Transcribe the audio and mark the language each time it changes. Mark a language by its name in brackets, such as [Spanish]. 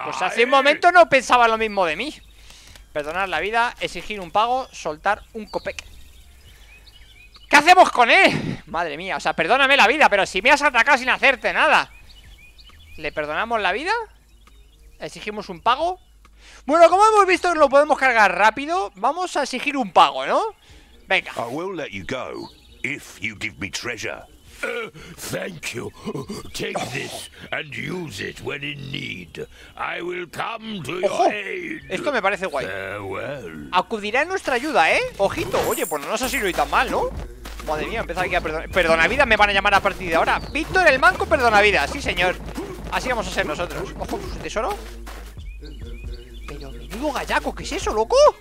[Spanish] Pues hace un momento no pensaba lo mismo de mí. Perdonar la vida, exigir un pago, soltar un copec. ¿Qué hacemos con él? Madre mía, o sea, perdóname la vida, pero si me has atacado sin hacerte nada. ¿Le perdonamos la vida? ¿Exigimos un pago? Bueno, como hemos visto, lo podemos cargar rápido. Vamos a exigir un pago, ¿no? Venga. [English] I will let you go if you give me treasure. Thank you. Take this and use it when in need. I will come to your aid. [Spanish] Esto me parece guay. [English] Farewell. [Spanish] Acudirá en nuestra ayuda, ¿eh? Ojito. Oye, pues no nos ha sido tan mal, ¿no? Madre mía, empezar aquí a perdona vida, me van a llamar a partir de ahora. Víctor el Manco, perdona vida. Sí, señor. Así vamos a ser nosotros. Ojo, su tesoro. Pero menudo gallaco, ¿qué es eso, loco?